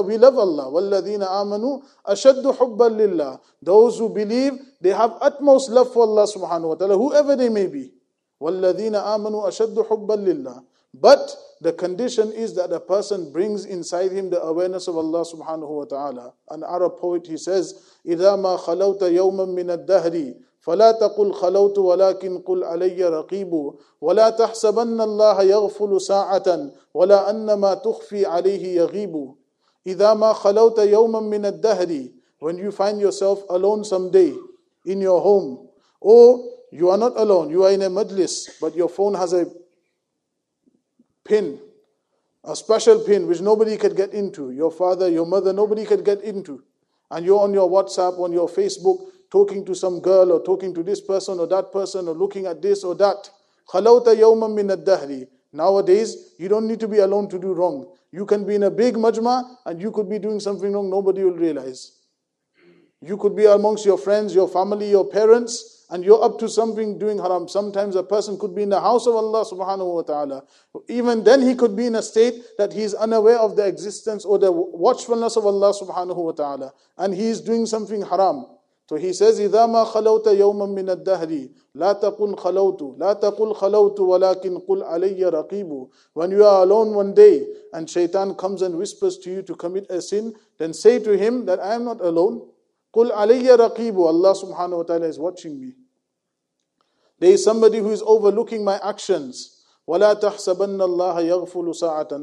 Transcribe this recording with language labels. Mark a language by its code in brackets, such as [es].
[en] We love Allah. [ar] وَالَّذِينَ آمَنُوا أَشَدُّ حُبَّا لِلَّهِ. [en] Those who believe, they have utmost love for Allah subhanahu wa ta'ala, whoever they may be. [ar] وَالَّذِينَ آمَنُوا أَشَدُّ حُبَّا لِلَّهِ. [en] But the condition is that a person brings inside him the awareness of Allah subhanahu wa ta'ala. An Arab poet, he says, [ar] إِذَا مَا خَلَوْتَ يَوْمًا مِنَ الدَّهْرِ فَلَا تَقُلْ خَلَوْتُ وَلَكِنْ قُلْ عَلَيَّ رَقِيبُ وَلَا تَحْسَبَنَّ اللَّهَ يَغْفُلُ سَاعَةً وَلَا أَنَّمَا تُخْفِي عَلَيْهِ يَغِيبُ إِذَا مَا خَلَوْتَ يَوْمًا مِنَ الدَّهْرِ. [en] When you find yourself alone someday in your home, or you are not alone, you are in a majlis, but your phone has a pin, a special pin which nobody could get into. Your father, your mother, nobody could get into. And you're on your WhatsApp, on your Facebook, talking to some girl or talking to this person or that person or looking at this or that. [ar] خَلَوْتَ يَوْمًا مِنَ الدَّهْرِ. [en] Nowadays, you don't need to be alone to do wrong. You can be in a big majma and you could be doing something wrong, nobody will realize. You could be amongst your friends, your family, your parents, and you're up to something doing haram, sometimes a person could be in the house of Allah subhanahu wa ta'ala. Even then he could be in a state that he's unaware of the existence or the watchfulness of Allah subhanahu wa ta'ala. And he is doing something haram. So he says, [ar] إِذَا مَا خَلَوْتَ يَوْمًا مِّنَ الدَّهْرِ لَا تَقُلْ خَلَوْتُ لَا تَقُلْ خَلَوْتُ وَلَكِنْ قُلْ عَلَيَّ رَقِيبُ. [en] When you are alone one day and shaitan comes and whispers to you to commit a sin, then say to him that I am not alone. [ar] قُلْ عَلَيَّ رَقِيبُ. [en] Allah subhanahu wa ta'ala is watching me. There is somebody who is overlooking my actions. [ar] وَلَا تَحْسَبَنَّ اللَّهَ يَغْفُلُ سَاعَةً.